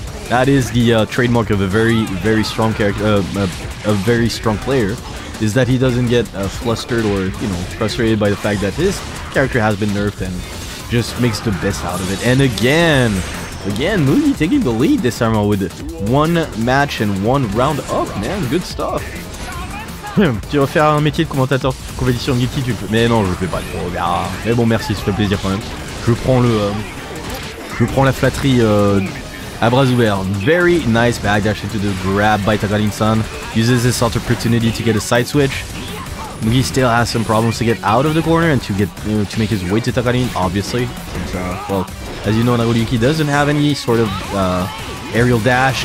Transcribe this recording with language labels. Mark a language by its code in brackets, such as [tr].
[en] That is the trademark of a very, very strong character, a very strong player, is that he doesn't get flustered or, frustrated by the fact that his character has been nerfed and just makes the best out of it. And again, Mugi taking the lead this time with one match and one round up, man, good stuff. [fr] Tu vas faire un métier de commentateur de compétition de YouTube, mais non, je vais pas trop, mais bon, merci, ça fait plaisir quand même. Je prends la flatterie à bras ouverts. [en] Very nice backdash into the grab by Takarin-san. Uses this opportunity to get a side switch. Mugi still has some problems to get out of the corner and to make his way to Takarin, obviously. As you know, Nagoriyuki doesn't have any sort of aerial dash.